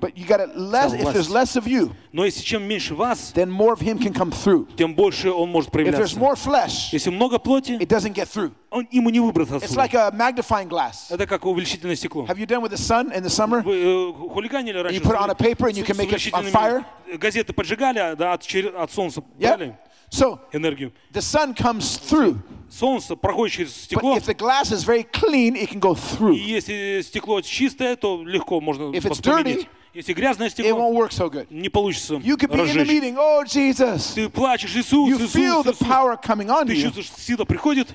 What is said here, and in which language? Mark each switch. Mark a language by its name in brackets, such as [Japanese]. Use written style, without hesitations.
[English] But you got it less, if there's less of you, [Russian] но если чем меньше вас, [English] then more of him can come through. [Russian] Тем больше он может проявляться. [English] If there's more flesh, [Russian] если много плоти, [English] it doesn't get through. [Russian] Он ему не выбраться отсюда. [English] It's like a magnifying glass. [Russian] Это как увеличительное стекло. [English] Have you done with the sun in the summer? [Russian] Вы хулиганили раньше? [English] You put on a paper and you can make it on fire? [Russian] Газеты поджигали, да, от солнца брали энергию. [English] The sun comes through. [Russian] Солнце проходит через стекло. [English] But if the glass is very clean, it can go through. [Russian] И если стекло чистое, то легко можно [English] if it's dirty, [Russian] если грязное стекло, [English] it won't work so good. [Russian] Не получится. [English] You could be [Russian] разжечь. [English] In the meeting, oh Jesus. [Russian] Ты плачешь, Иисус, [English] you [Russian] Иисус, [English] feel [Russian] Иисус. [English] The power coming on [Russian] ты чувствуешь, что сила приходит.